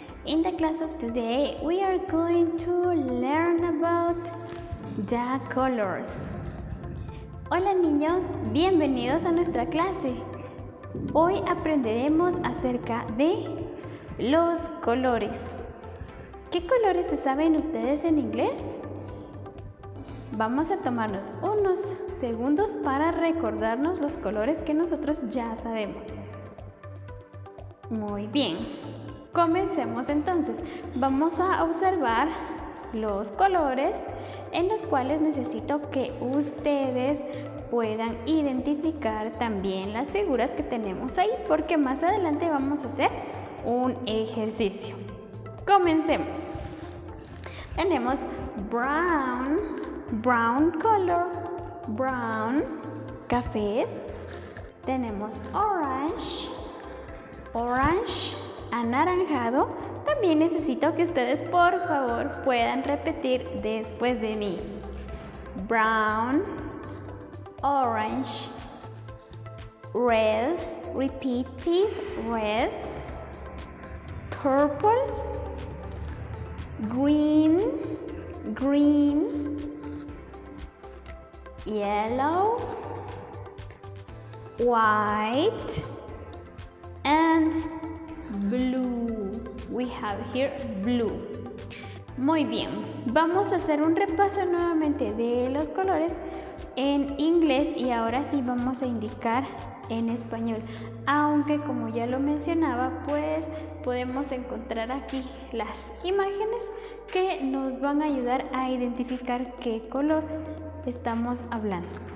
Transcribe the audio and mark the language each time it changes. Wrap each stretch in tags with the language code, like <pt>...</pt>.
<en>In the class of today, we are going to learn about the colors.</en> <es>Hola niños, bienvenidos a nuestra clase. Hoy aprenderemos acerca de los colores. ¿Qué colores se saben ustedes en inglés? Vamos a tomarnos unos segundos para recordarnos los colores que nosotros ya sabemos. Muy bien, comencemos entonces. Vamos a observar los colores en los cuales necesito que ustedes puedan identificar también las figuras que tenemos ahí, porque más adelante vamos a hacer un ejercicio. Comencemos. Tenemos brown, brown color, brown, café. Tenemos orange, orange, anaranjado. También necesito que ustedes, por favor, puedan repetir después de mí.</es> <en>Brown, orange, red, repeat please, red, purple, green, green, yellow, white, and blue. We have here blue.</en> <es>Muy bien, vamos a hacer un repaso nuevamente de los colores en inglés y ahora sí vamos a indicar en español. Aunque como ya lo mencionaba, pues podemos encontrar aquí las imágenes que nos van a ayudar a identificar qué color estamos hablando.</es>